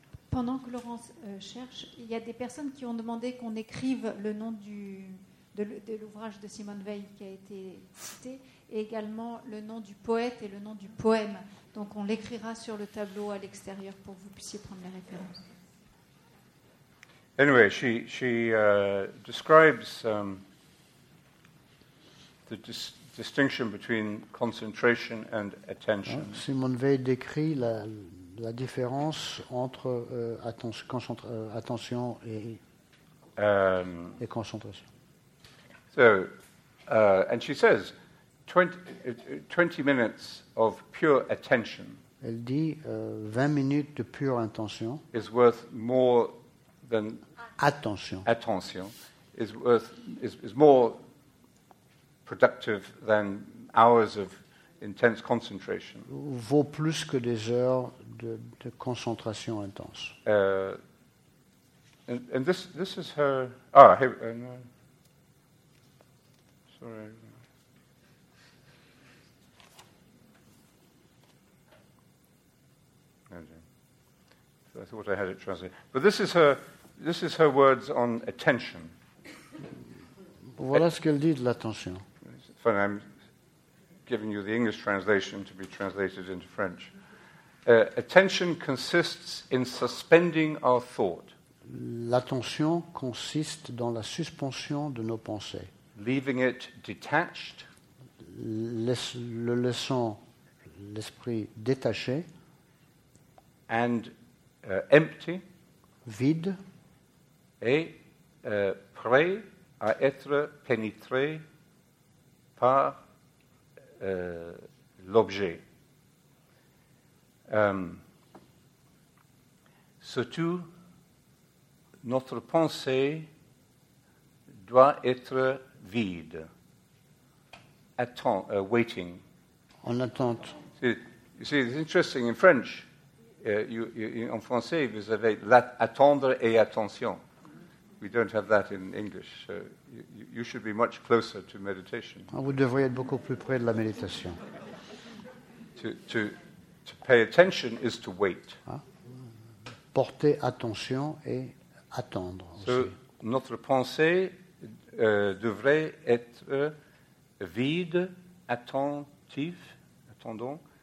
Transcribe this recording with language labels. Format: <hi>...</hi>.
<fr>Pendant que Laurence cherche, il y a des personnes qui ont demandé qu'on écrive le nom de l'ouvrage de Simone Weil qui a été cité, et également le nom du poète et le nom du poème. Donc on l'écrira sur le tableau à l'extérieur pour que vous puissiez prendre les références.</fr> <en>Anyway, she describes the distinction between concentration and attention.</en> <fr>Simone Weil décrit la différence entre attention et concentration.</fr> <en>So, and she says, 20 minutes of pure attention.</en> <fr>Elle dit 20 minutes de pure intention.</fr> <en>Is worth more than attention. Attention is more productive than hours of intense concentration.</en> <fr>Vaut plus que des heures de concentration intense.</fr> <en>And this is her. I thought I had it translated. But this is her words on attention.</en> <fr>Voilà ce qu'elle dit de l'attention.</fr> <en>Funny, I'm given you the English translation to be translated into French. Attention consists in suspending our thought.</en> <fr>L'attention consiste dans la suspension de nos pensées.</fr> <en>Leaving it detached.</en> <fr>Le laissant l'esprit détaché.</fr> <en>And empty.</en> <fr>Vide. Et prêt à être pénétré par l'objet. Surtout, notre pensée doit être vide,</fr> <en>waiting.</en> <fr>En attente.</fr> <en>See, it's interesting. In French,</en> <fr>en français, vous avez attendre et attention.</fr> <en>We don't have that in English. So you should be much closer to meditation.</en> <fr>Vous devriez être beaucoup plus près de la méditation.</fr> <en>To pay attention is to wait. Ah.</en> <fr>Porter attention et attendre. So aussi. Notre pensée devrait être vide, attentif, attendons.</fr>